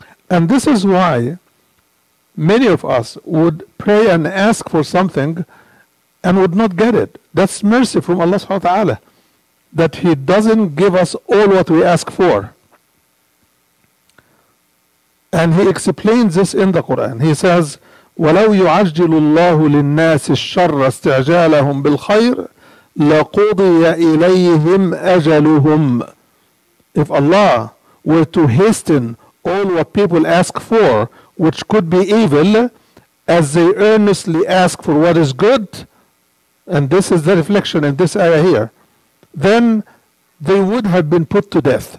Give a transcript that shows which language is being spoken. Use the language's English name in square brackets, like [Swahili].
[English] And this is why many of us would pray and ask for something and would not get it. That's mercy from Allah subhanahu wa ta'ala, that He doesn't give us all what we ask for. And He explains this in the Quran. He says, [Arabic] وَلَوْ يُعَجِّلُ اللَّهُ لِلنَّاسِ الشَّرَّ اسْتِعْجَالَهُمْ بِالْخَيْرِ لَقُضِيَ إِلَيْهِمْ أَجَلُهُمْ. [English] If Allah were to hasten all what people ask for, which could be evil, as they earnestly ask for what is good, and this is the reflection in this ayah here, then they would have been put to death.